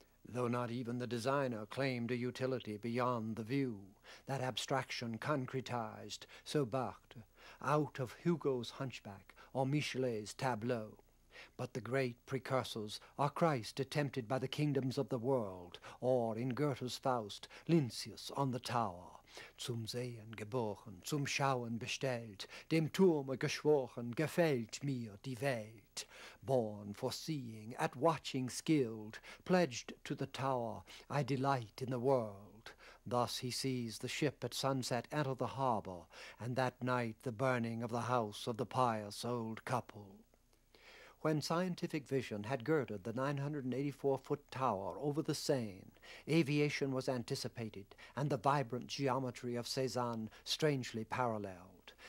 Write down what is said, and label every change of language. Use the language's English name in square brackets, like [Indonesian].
[English] Though not even the designer claimed a utility beyond the view, that abstraction concretized, so Barthes, out of Hugo's Hunchback or Michelet's Tableau. But the great precursors are Christ attempted by the kingdoms of the world, or in Goethe's Faust, Lincius on the tower. [German] Zum Sehen geboren, zum Schauen bestellt, dem Turme geschworen, gefällt mir die Welt. [English] Born for seeing, at watching skilled, pledged to the tower, I delight in the world. Thus he sees the ship at sunset enter the harbor, and that night the burning of the house of the pious old couple. When scientific vision had girded the 984-foot tower over the Seine, aviation was anticipated, and the vibrant geometry of Cézanne strangely paralleled.